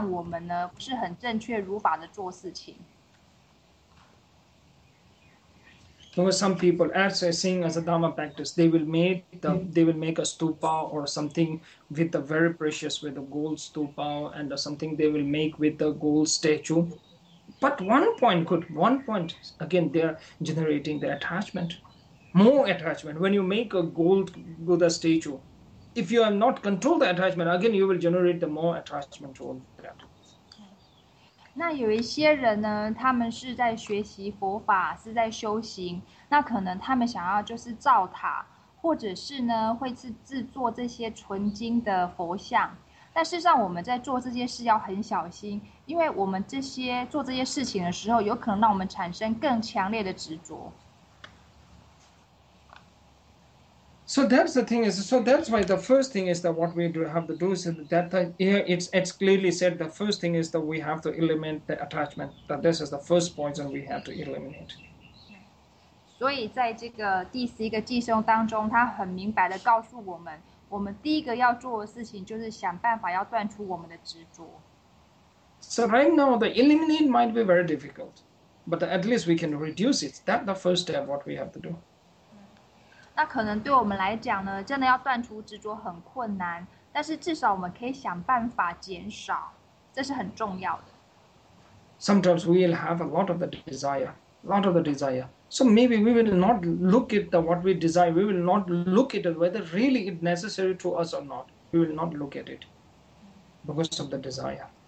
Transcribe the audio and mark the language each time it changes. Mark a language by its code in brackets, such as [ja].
[zh] 但是由于这些执着跟贪欲的关系，反而会让我们呢不是很正确如法的做事情。 [en] Because some people, as I sing as a Dharma practice, they will make a stupa or something with the very precious, with the gold stupa and something they will make with the gold statue. But one point again they are generating the attachment, more attachment. When you make a gold Buddha statue. If you have not controlled the attachment, again, you will generate the more attachment to that. [zh] 那有一些人呢，他们是在学习佛法，是在修行，那可能他们想要就是造塔，或者是呢，会是制作这些纯金的佛像。但事实上，我们在做这些事要很小心，因为我们这些做这些事情的时候，有可能让我们产生更强烈的执着。 [en] So that's the thing is, so that's why the first thing is that what we do have to do is that here it's clearly said the first thing is that we have to eliminate the attachment, that this is the first point that we have to eliminate. [zh] 所以在这个第十一个偈颂当中，他很明白的告诉我们，我们第一个要做的事情就是想办法要断除我们的执着。 [en] So right now, the eliminate might be very difficult, but at least we can reduce it. That's the first step what we have to do. [zh] 那可能对我们来讲呢，真的要断除执着很困难，但是至少我们可以想办法减少，这是很重要的。 [en] Sometimes we will have a lot of the desire, a lot of the desire. So maybe we will not look at the what we desire. We will not look at it, whether really it necessary to us or not. We will not look at it because of the desire.